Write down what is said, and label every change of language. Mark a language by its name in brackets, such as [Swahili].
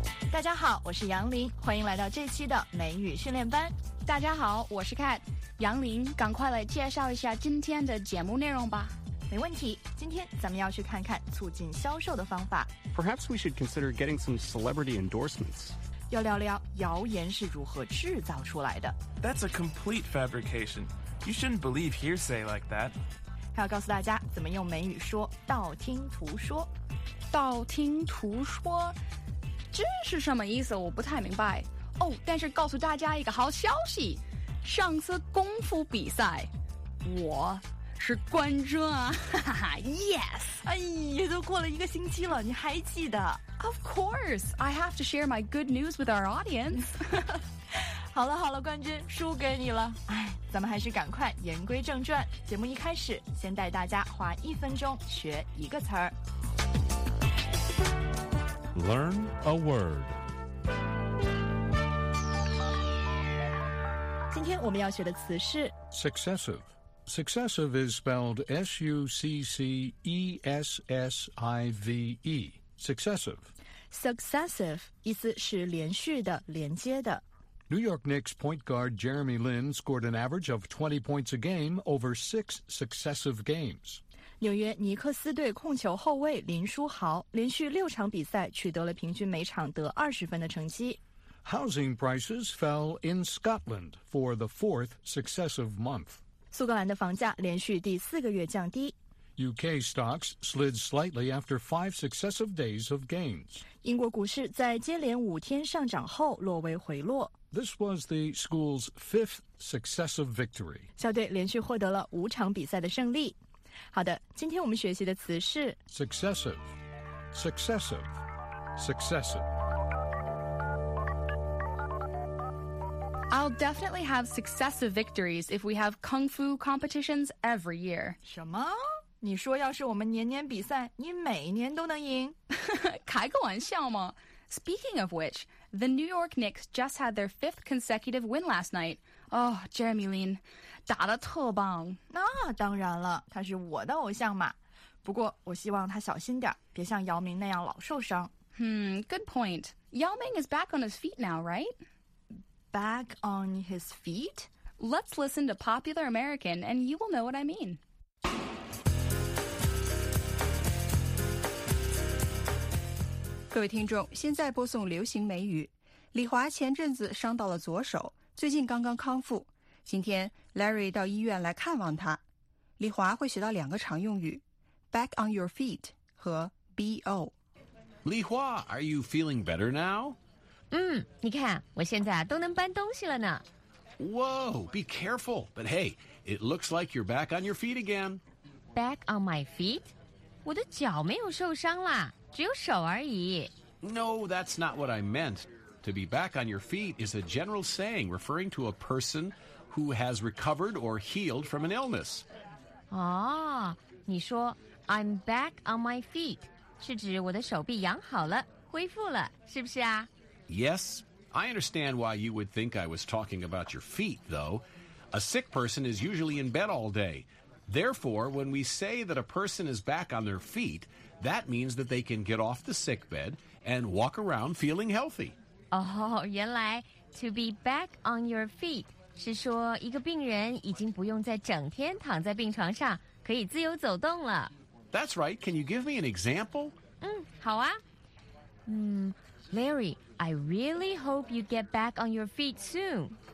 [Chinese] 大家好，我是杨林，欢迎来到这期的美语训练班。大家好，我是 Kat。杨林，赶快来介绍一下今天的节目内容吧。没问题，今天咱们要去看看促进销售的方法。 [English] Perhaps we should consider getting some celebrity endorsements. [Chinese] 要聊聊谣言是如何制造出来的。 [English] That's a complete fabrication. You shouldn't believe hearsay like that. [Chinese] 还要告诉大家怎么用美语说道听途说。道听途说这是什么意思？我不太明白。哦，但是告诉大家一个好消息，上次功夫比赛我是冠军啊，哈哈 ， [English] Yes！ [Chinese] 哎，也都过了一个星期了，你还记得 [English] ？Of course, I have to share my good news with our audience. [Chinese] 好了好了，冠军输给你了。哎，咱们还是赶快言归正传。节目一开始，先带大家花一分钟学一个词儿。 [English] Learn a word. [Chinese] 今天我们要学的词是 [English] successive. Successive is spelled S-U-C-C-E-S-S-I-V-E. Successive. [Chinese] Successive, 意思是连续的，连接的。 [English] New York Knicks point guard Jeremy Lin scored an average of 20 points a game over six successive games. [Chinese] 纽约尼克斯队控球后卫林书豪连续六场比赛取得了平均每场得20分的成绩。 [English] Housing prices fell in Scotland for the fourth successive month. [Chinese] 苏格兰的房价连续第四个月降低。 [English] UK stocks slid slightly after five successive days of gains. [Chinese] 英国股市在接连五天上涨后落为回落。 [English] This was the school's fifth successive victory. [Chinese] 校队连续获得了五场比赛的胜利。好的，今天我们学习的词是 [English] successive, successive, successive. I'll definitely have successive victories if we have kung fu competitions every year. [Chinese] 什么？你说要是我们年年比赛，你每年都能赢？开个玩笑吗？ [English] Speaking of which, the New York Knicks just had their fifth consecutive win last night. [Chinese] Oh, Jeremy Lin, 打得特棒。那当然了，他是我的偶像嘛。不过我希望他小心点，别像姚明那样老受伤。 [English] Hmm, good point. Yao Ming is back on his feet now, right? Back on his feet? Let's listen to Popular American and you will know what I mean. Good evening, [Chinese] 现在播送流行美语。李华前阵子伤到了左手，最近刚刚康复。今天 Larry 到医院来看望他。李华会学到两个常用语 , [English] back on your feet [Chinese] 和 BO。 [English] 李华, are you feeling better now? [Chinese] 嗯，你看，我现在都能搬东西了呢。 [English] Whoa, be careful. But hey, it looks like you're back on your feet again. Back on my feet? [Chinese] 我的脚没有受伤啦，只有手而已。 [English] No, that's not what I meant. To be back on your feet is a general saying referring to a person who has recovered or healed from an illness. [Chinese] 哦，你说 [English] I'm back on my feet [Chinese] 是指我的手臂养好了，恢复了，是不是啊？ [English] Yes, I understand why you would think I was talking about your feet, though. A sick person is usually in bed all day. Therefore, when we say that a person is back on their feet, that means that they can get off the sick bed and walk around feeling healthy. [Chinese] Oh, 原来 [English] to be back on your feet [Chinese] 是说一个病人已经不用再整天躺在病床上，可以自由走动了。 [English] That's right. Can you give me an example? [Chinese] 嗯，好啊。嗯。 [English] Larry, I really hope you get back on your feet soon.